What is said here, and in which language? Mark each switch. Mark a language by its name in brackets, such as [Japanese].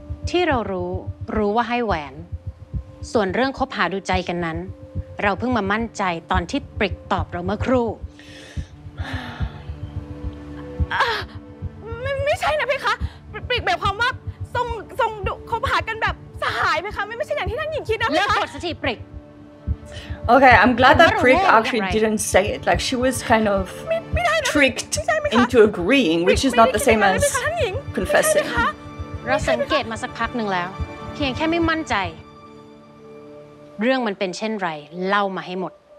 [Thai] ที่เรารู้ว่าให้แหวนส่วนเรื่องคบหาดูใจกันนั้นเราเพิ่งมามั่นใจตอนที่ปริกตอบเราเมื่อครู่ไม่ใช่นะเพคะปริกแบบความว่าทรงดุคบหากันแบบสหายเพคะไม่ใช่อย่างที่ท่านหญิงคิดนะเพคะ เลิกกดสักทีปริก [English] Okay I'm glad that Prick actually didn't say it like she was kind of tricked into agreeing which is not the same as confessing [Thai] เ ราสังเกตมาสักพักหนึ่งแล้วเพียงแค่ไม่มั่นใจเรื่องมันเป็นเช่นไรเล่ามาให้หมด